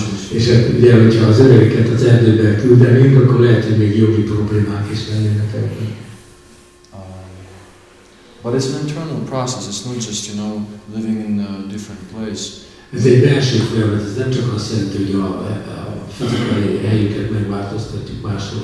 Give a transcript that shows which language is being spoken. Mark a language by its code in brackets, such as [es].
[hu] És ugye, hogyha az öregeket az erdőbe küldenénk, akkor lehet, hogy még jogi problémák is lennének ebben. [en] But it's an internal process. It's not just, you know, living in a different place. [hu] Ez egy belső folyamat. Ez nem csak azt jelenti, hogy a fizikai helyünket megváltoztatjuk máshol